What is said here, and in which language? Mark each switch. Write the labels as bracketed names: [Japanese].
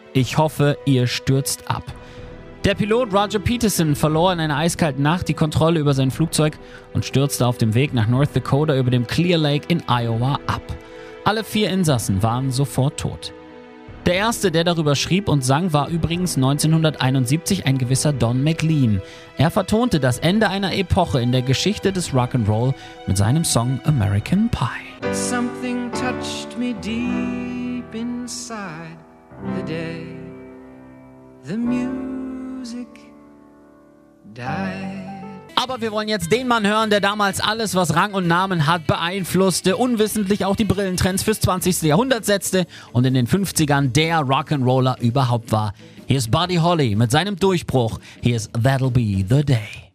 [German] Ich hoffe, ihr stürzt ab. Der Pilot Roger Peterson verlor in einer eiskalten Nacht die Kontrolle über sein Flugzeug und stürzte auf dem Weg nach North Dakota über dem Clear Lake in Iowa ab. Alle 4 Insassen waren sofort tot. Der erste, der darüber schrieb und sang, war übrigens 1971 ein gewisser Don McLean. Er vertonte das Ende einer Epoche in der Geschichte des Rock'n'Roll mit seinem Song American Pie. [English] Something touched me deep inside the day, the music died. [German] Aber wir wollen jetzt den Mann hören, der damals alles, was Rang und Namen hat, beeinflusste, unwissentlich auch die Brillentrends fürs 20. Jahrhundert setzte und in den 50ern der Rock'n'Roller überhaupt war. Hier ist Buddy Holly mit seinem Durchbruch. Hier ist That'll Be The Day.